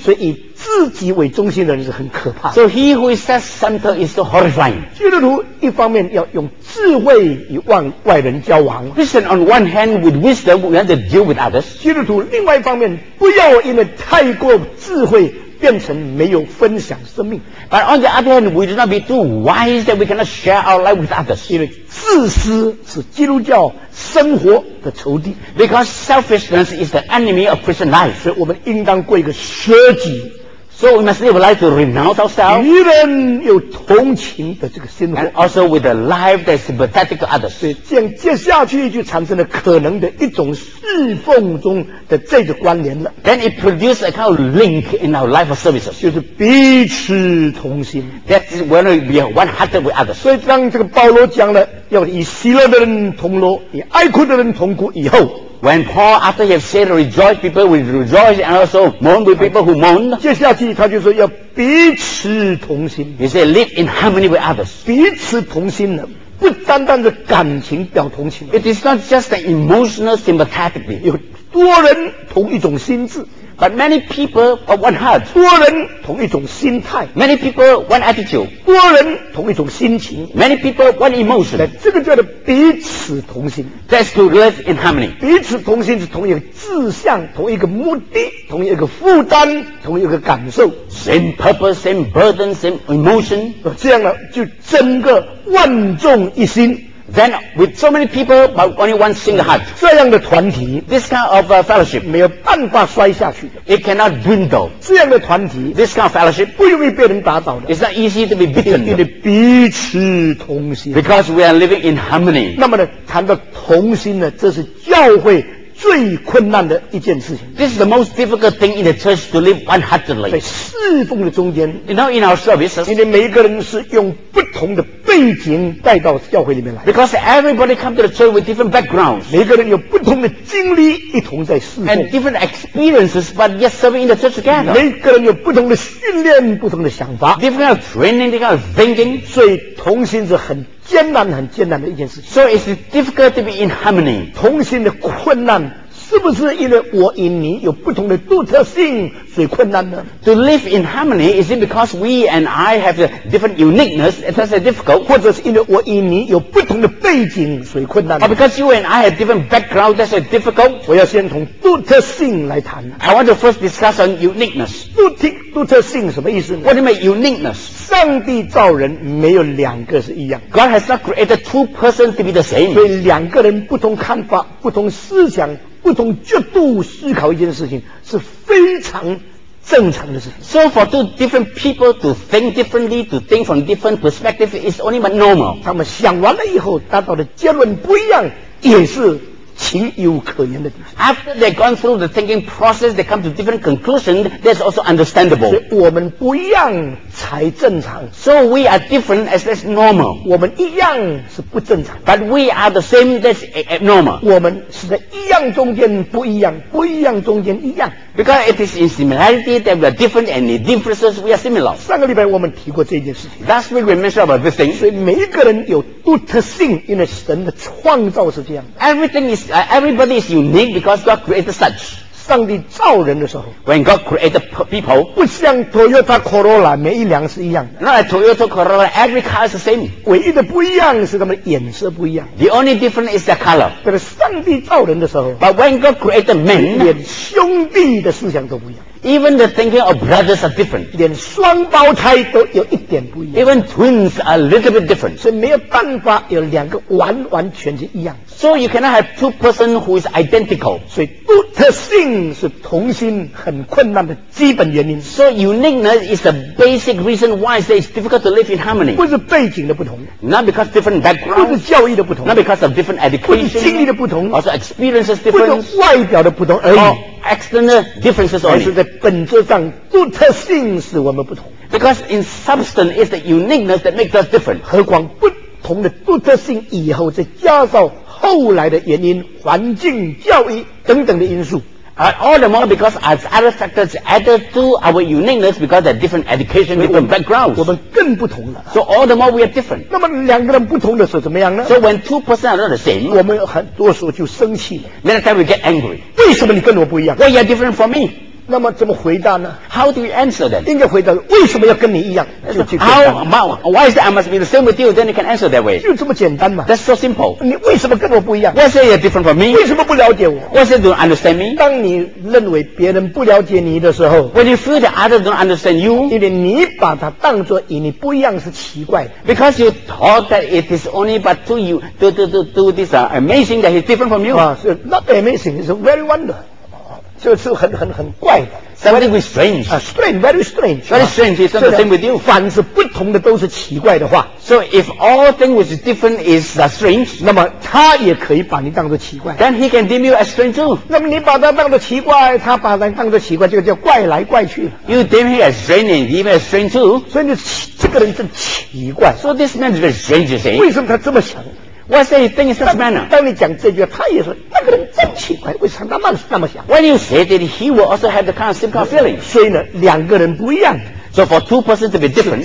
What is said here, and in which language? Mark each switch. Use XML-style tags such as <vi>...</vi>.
<zh>所以自己为中心的人是很可怕的。</zh> <en>So he who is self-centered is so horrifying.</en> <zh>基督徒一方面要用智慧与外人交往。</zh> <en>Christian on one hand with wisdom we have to deal with others.</en> <zh>基督徒另外一方面不要因为太过智慧变成没有分享生命。</zh> <en>But on the other hand we do not be too wise that we cannot share our life with others.</en> <zh>因为自私是基督教生活的仇敌。</zh> <en>Because selfishness is the enemy of Christian life.</en> <zh>所以我们应当过一个舍己。</zh> <en>So we must live a life to renounce ourselves.</en> <zh>与人有同情的这个心活</zh> <en>And also with a life that is sympathetic to others.</en> <zh>所以这样接下去就产生了可能的一种侍奉中的这个关联了。</zh> <en>Then it produces a kind of link in our life of services.</en> <zh>就是彼此同心。</zh> <en>That is when we are one hearted with others.</en> <zh>所以当这个保罗讲了要以喜乐的人同乐，以哀哭的人同哭以后。</zh> <en>When Paul, after he has said, rejoice people will rejoice, and also mourn with people who mourn.</en> <zh>接下去他就说要彼此同心。</zh> <en>He said, live in harmony with others.</en> <zh>彼此同心呢，不单单的感情表同情。</zh> <en>It is not just an emotional sympathetic.</en> <zh>有多人同一种心智。</zh> <en>But many people are one heart.</en> <zh>多人同一种心态。</zh> <en>Many people one attitude.</en> <zh>多人同一种心情。</zh> <en>Many people one emotion.</en> <zh>这个叫做彼此同心。</zh> <en>That's to live in harmony.</en> <zh>彼此同心是同一个志向，同一个目的，同一个负担，同一个感受。</zh> <en>Same purpose, same burden, same emotion.</en> <zh>这样呢，就整个万众一心。</zh> <en>Then with so many people, but only one single heart.</en> <zh>这样的团体</zh> <en>，this kind of fellowship</en> <zh>没有办法摔下去的。</zh> <en>It cannot dwindle.</en> <zh>这样的团体</zh> <en>，this kind of fellowship</en> <zh>不容易被人打倒的。</zh> <en>It's not easy to be beaten.</en> <zh>因为彼此同心。</zh> <en>Because we are living in harmony.</en> <zh>那么呢，谈到同心呢，这是教会最困难的一件事情。</zh> <en>This is the most difficult thing in the church to live one-heartedly.</en> <zh>在侍奉的中间</zh> <en>，you know, in our services,</en> <zh>因为每一个人是用不同的背景带到教会里面来。</zh> <en>Because everybody come to the church with different backgrounds.</en> <zh>每个人有不同的经历一同在侍奉。</zh> <en>And different experiences, but yet serving in the church together.</en> <zh>每个人有不同的训练，不同的想法。</zh> <en>Different kind of training, different kind of thinking.</en> <zh>所以同心是很艰难，很艰难的一件事情。</zh> <en>So it's difficult to be in harmony.</en> <zh>同心的困难是不是因为我与你有不同的独特性，所以困难呢？</zh> <en>To live in harmony, is it because we and I have a different uniqueness, that's difficult?</en> <zh>或者是因为我与你有不同的背景，所以困难呢？</zh> <en>Or because you and I have different background, that's difficult?</en> <zh>我要先从独特性来谈。</zh> <en>I want to first discuss on uniqueness.</en> <zh>独特性什么意思呢？</zh> <en>What do you mean uniqueness?</en> <zh>上帝造人没有两个是一样。</zh> <en>God has not created two persons to be the same.</en> <zh>所以两个人不同看法，不同思想，不同角度思考一件事情是非常正常的事情。</zh> <en>So for two different people to think differently, to think from different perspective is only but normal.</en> <zh>他们想完了以后达到的结论不一样，也是情有可原的。</zh> <en>After they gone through the thinking process, they come to different conclusion. That's also understandable.</en> <zh>所以我们不一样才正常。</zh> <en>So we are different as that's normal.</en> <zh>我们一样是不正常。</zh> <en>But we are the same. That's abnormal.</en> <zh>我们是在一样中间不一样，不一样中间一样。</zh> <en>Because it is in similarity that we are different, and in differences we are similar.</en> <zh>上个礼拜我们提过这件事情。</zh> <en>Last week we mentioned about this thing.</en> <zh>所以每一个人有独特性，因为神的创造是这样的。</zh> <en>Everything is everybody is unique because God created such.</en> <zh>上帝造人的时候</zh> <en>，When God created people,</en> <zh>不像 Toyota Corolla 每一辆是一样的。</zh> <en>Not like Toyota Corolla, every car is the same.</en> <zh>唯一的不一样是他们颜色不一样。</zh> <en>The only difference is the color.</en> <zh>但是上帝造人的时候</zh> <en>，But when God created men,</en> <zh>连兄弟的思想都不一样。</zh> <en>Even the thinking of brothers are different.</en> <zh>连双胞胎都有一点不一样。</zh> <en>Even twins are a little bit different.</en> <zh>所以没有办法有两个完完全全一样。</zh> <en>So you cannot have two person who is identical.</en> <zh>所以独特性是同心很困难的基本原因。</zh> <en>So uniqueness is the basic reason why it's difficult to live in harmony.</en> <zh>不是背景的不同。</zh> <en>Not because different background.</en> <zh>不是教育的不同。</zh> <en>Not because of different education.</en> <zh>不是经历的不同。</zh> <en>Also experiences different.</en> <zh>不是外表的不同而已。</zh> <en>Or external differences only.</en> <zh>还是在本质上独特性使我们不同。</zh> <en>Because in substance is the uniqueness that makes us different.</en> <zh>何况不同的独特性以后再加上后来的原因，环境、教育等等的因素。</zh> <en>All the more because as other factors added to our uniqueness because they're different education, different backgrounds.</en> <zh>我们更不同了。</zh> <en>So all the more we are different.</en> <zh>那么两个人不同的时候怎么样呢？</zh> <en>So when two persons are not the same,</en> <zh>我们很多时候就生气了。</zh> <en>Many times we get angry.</en> <zh>为什么你跟我不一样？</zh> <en>Why you are different from me?</en> <zh>那么怎么回答呢？</zh> <en>How do you answer that?</en> <zh>应该回答为什么要跟你一样？</zh> <en>Why is that I must be the same with you? Then you can answer that way.</en> <zh>就这么简单嘛。</zh> <en>That's so simple.</en> <zh>你为什么跟我不一样？</zh> <en>Why say you're different from me?</en> <zh>为什么不了解我？</zh> <en>Why say you don't understand me?</en> <zh>当你认为别人不了解你的时候，</zh> <en>When you feel that others don't understand you,</en> <zh>因为你把它当作与你不一样是奇怪的。</zh> <en>Because you thought that it is only but to you, to this amazing that he's different from you. So not amazing, it's very wonderful.</en> <zh>就是很怪的</zh> <en>something is strange. Strange, very strange. Very strange. It's not the same with you.</en> <zh>凡是不同的都是奇怪的话。</zh> <en>So if all things different is strange,</en> <zh>那么他也可以把你当作奇怪。</zh> <en>Then he can deem you as strange too.</en> <zh>那么你把他当作奇怪，他把他当作奇怪，这个叫怪来怪去。</zh> <en>You deem him as strange and deem him as strange too.</en> <zh>所以你这个人真奇怪。</zh> <en>So this man is very strange, you see.</en> <zh>为什么他这么想？</zh> <en>Why say you think in such manner?</en> <zh>当你讲这句话，他也说那个人真奇怪，为什么那么想</zh> <en>？When you say that, he will also have the kind of similar feeling.</en> <zh>所以呢，两个人不一样。</zh> <en>So for two persons to be different,</en>